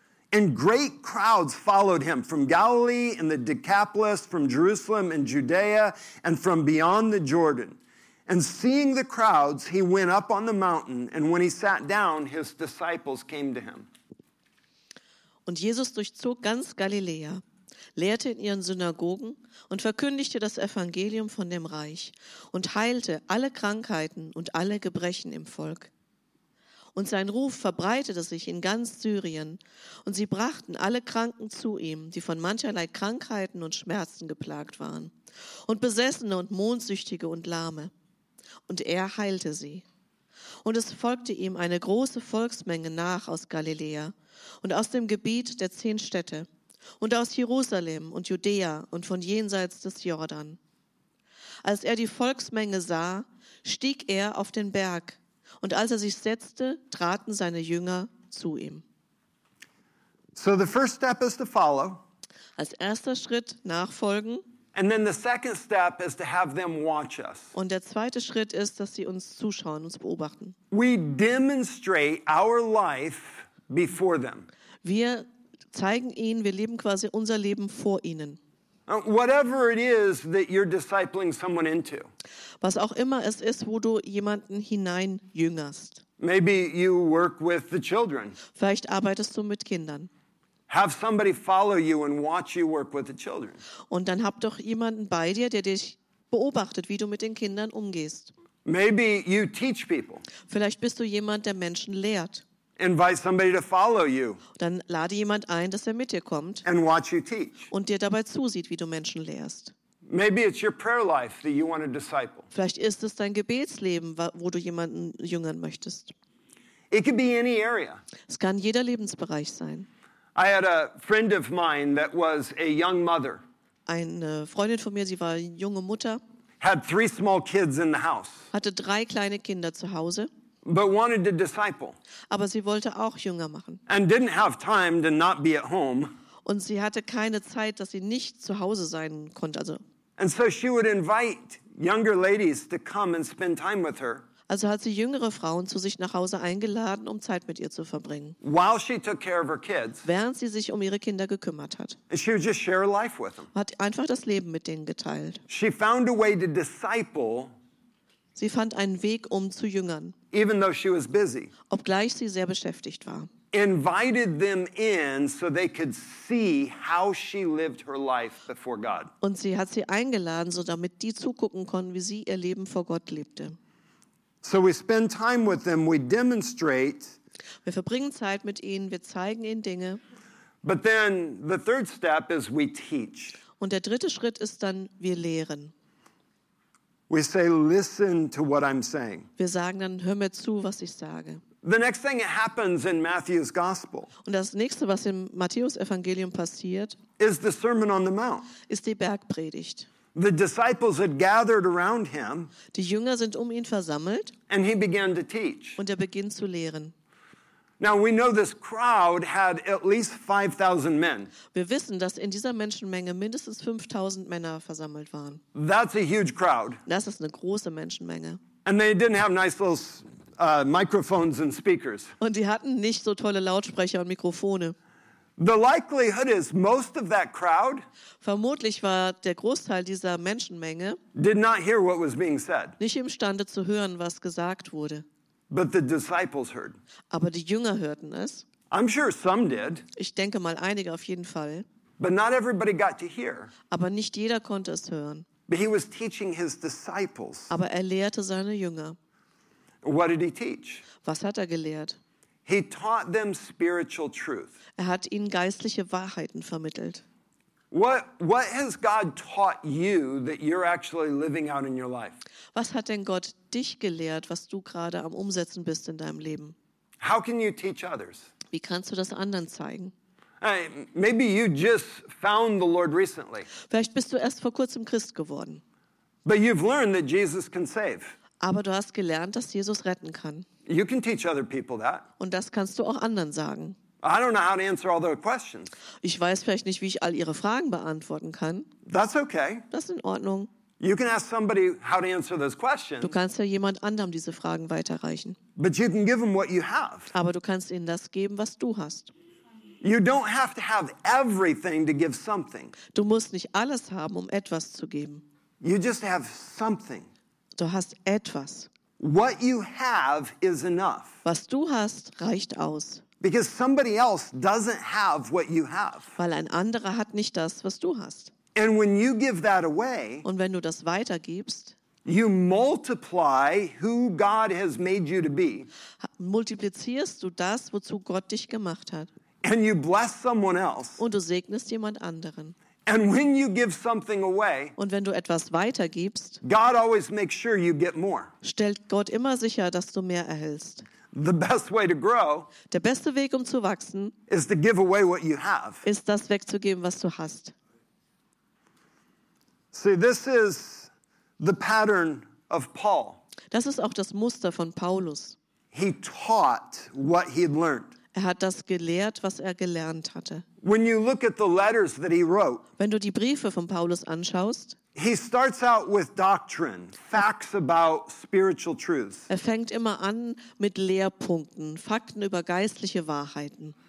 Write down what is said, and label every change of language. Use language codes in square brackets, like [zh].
[en] And great crowds followed him from Galilee and the Decapolis, from Jerusalem and Judea, and from beyond the Jordan. And seeing the crowds, he went up on the mountain, and when he sat down, his disciples came to him. [de] Und Jesus durchzog ganz Galiläa, lehrte in ihren Synagogen und verkündigte das Evangelium von dem Reich und heilte alle Krankheiten und alle Gebrechen im Volk. Und sein Ruf verbreitete sich in ganz Syrien und sie brachten alle Kranken zu ihm, die von mancherlei Krankheiten und Schmerzen geplagt waren und Besessene und Mondsüchtige und Lahme. Und er heilte sie. Und es folgte ihm eine große Volksmenge nach aus Galiläa und aus dem Gebiet der 10 Städte und aus Jerusalem und Judäa und von jenseits des Jordan. Als er die Volksmenge sah, stieg er auf den Berg und als er sich setzte, traten seine Jünger zu ihm. [en] So the first step is to follow. [de] Als erster Schritt nachfolgen. [en] And then the second step is to have them watch us. [de] Und der zweite Schritt ist, dass sie uns zuschauen, uns beobachten. [en] We demonstrate our life before them. [de] Wir zeigen ihnen, wir leben quasi unser Leben vor ihnen. [en] Whatever it is that you're discipling someone into. [de] Was auch immer es ist, wo du jemanden hineinjüngerst. [en] Maybe you work with the children. [de] Vielleicht arbeitest du mit Kindern. [en] Have somebody follow you and watch you work with the children. [de] Und dann hab doch jemanden bei dir, der dich beobachtet, wie du mit den Kindern umgehst. [en] Maybe you teach people. [de] Vielleicht bist du jemand, der Menschen lehrt. [en] Invite somebody to follow you. [de] Dann lade jemand ein, dass er mit dir kommt. [en] And watch you teach. [de] Und dir dabei zusieht, wie du Menschen lehrst. [en] Maybe it's your prayer life that you want to disciple. [de] Vielleicht ist es dein Gebetsleben, wo du jemanden jüngern möchtest. [en] It could be any area. [de] Es kann jeder Lebensbereich sein. [en] I had a friend of mine that was a young mother. [de] Eine Freundin von mir, sie war eine junge Mutter. [en] Had three small kids in the house. [de] Hatte drei kleine Kinder zu Hause. [en] But wanted to disciple. [de] Aber sie wollte auch jünger machen. [en] And didn't have time to not be at home. [de] Und sie hatte keine Zeit, dass sie nicht zu Hause sein konnte, also. [en] And so she would invite younger ladies to come and spend time with her. [de] Also hat sie jüngere Frauen zu sich nach Hause eingeladen, um Zeit mit ihr zu verbringen. [en] While she took care of her kids, [de] während sie sich um ihre Kinder gekümmert hat. [en] And she would just share life with them. [de] Hat einfach das Leben mit denen geteilt. [en] She found a way to disciple, [de] sie fand einen Weg, um zu jüngern. [en] Even though she was busy. [de] Obgleich sie sehr beschäftigt war. [en] Invited them in so they could see how she lived her life before God. [de] Und sie hat sie eingeladen, so damit die zugucken konnten, wie sie ihr Leben vor Gott lebte. [en] So we spend time with them, we demonstrate. [de] Wir verbringen Zeit mit ihnen, wir zeigen ihnen Dinge. [en] But then the third step is we teach. [de] Und der dritte Schritt ist dann, wir lehren. [en] We say, listen to what I'm saying. [de] Wir sagen dann, hör mir zu, was ich sage. [en] The next thing that happens in Matthew's gospel. [de] Und das nächste, was im Matthäus-Evangelium passiert, [en] is the Sermon on the Mount. [de] Ist die Bergpredigt. [en] The disciples had gathered around him. [de] Die Jünger sind um ihn versammelt. [en] And he began to teach. [de] Und beginnt zu lehren. [en] Now we know this crowd had at least 5,000 men. [de] Wir wissen, dass in dieser Menschenmenge mindestens 5,000 Männer versammelt waren. [en] That's a huge crowd. [de] Das ist eine große Menschenmenge. [en] And they didn't have nice little microphones and speakers. [de] Und die hatten nicht so tolle Lautsprecher und Mikrofone. [en] The likelihood is most of that crowd [de] vermutlich war der Großteil dieser Menschenmenge [en] did not hear what was being said. [de] Nicht imstande zu hören, was gesagt wurde. [en] But the disciples heard. [de] Aber die Jünger hörten es. [en] I'm sure some did. [de] Ich denke mal einige auf jeden Fall. [en] But not everybody got to hear. [de] Aber nicht jeder konnte es hören. [en] But he was teaching his disciples. [de] Aber er lehrte seine Jünger. [en] What did he teach? [de] Was hat er gelehrt? [en] He taught them spiritual truth. [de] Er hat ihnen geistliche Wahrheiten vermittelt. [en] What has God taught you that you're actually living out in your life? [de] Was hat denn Gott dich gelehrt, was du gerade am Umsetzen bist in deinem Leben? [en] How can you teach others? [de] Wie kannst du das anderen zeigen? [en] Maybe you just found the Lord recently. [de] Vielleicht bist du erst vor kurzem Christ geworden. [en] But you've learned that Jesus can save. [de] Aber du hast gelernt, dass Jesus retten kann. [en] You can teach other people that. [de] Und das kannst du auch anderen sagen. [en] I don't know how to answer all their questions. [de] Ich weiß vielleicht nicht, wie ich all ihre Fragen beantworten kann. [en] That's okay. [de] Das ist in Ordnung. [en] You can ask somebody how to answer those questions. [de] Du kannst ja jemand anderem diese Fragen weiterreichen. [en] But you can give them what you have. [de] Aber du kannst ihnen das geben, was du hast. [en] You don't have to have everything to give something. [de] Du musst nicht alles haben, um etwas zu geben. [en] You just have something. [de] Du hast etwas. [en] What you have is enough. [de] Was du hast, reicht aus. [en] Because somebody else doesn't have what you have. [de] Weil ein anderer hat nicht das, was du hast. [en] And when you give that away, [de] und wenn du das weitergibst, [en] you multiply who God has made you to be. [de] Multiplizierst du das, wozu Gott dich gemacht hat. [en] And you bless someone else. [de] Und du segnest jemand anderen. [en] And when you give something away, [de] und wenn du etwas weitergibst, [en] God always makes sure you get more. [de] Stellt Gott immer sicher, dass du mehr erhältst. [en] The best way to grow, [de] der beste Weg, um zu wachsen, [en] is to give away what you have. [de] Ist das wegzugeben, was du hast. [en] See, this is the pattern of Paul. [de] Das ist auch das Muster von Paulus. [en] He taught what he had learned. [de] Er hat das gelehrt, was er gelernt hatte. [en] When you look at the letters that he wrote, [de] wenn du die Briefe von Paulus anschaust, [en] he starts out with doctrine, facts about spiritual truths. [de] Er fängt immer an mit Lehrpunkten, Fakten über geistliche Wahrheiten.